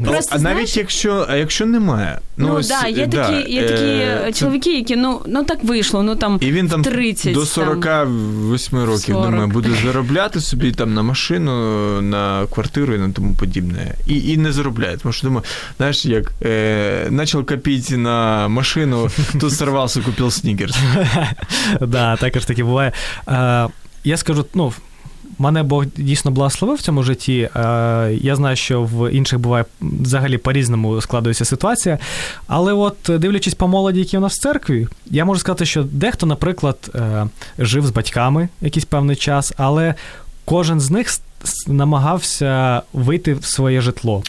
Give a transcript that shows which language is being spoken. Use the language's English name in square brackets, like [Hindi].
[Ukrainian] Але просто, знаєш, навіть якщо немає... Ну, ну ось, да, є да, такі, є такі чоловіки, які, ну так вийшло, ну там 30. І він там 30, до 48 там, років, 40. Думаю, буде заробляти собі там на машину, на квартиру і на тому подібне. І не заробляє, тому що думаю, знаєш, як... [Russian] начал копить на машину, тут сорвался, купил снікерс. [Ukrainian] Да, так ж таки буває. Я скажу, ну, мене Бог дійсно благословив в цьому житті. Я знаю, що в інших буває взагалі по-різному складується ситуація. Але от дивлячись по молоді, які у нас в церкві, я можу сказати, що дехто, наприклад, жив з батьками якийсь певний час, але кожен з них намагався вийти в своє житло.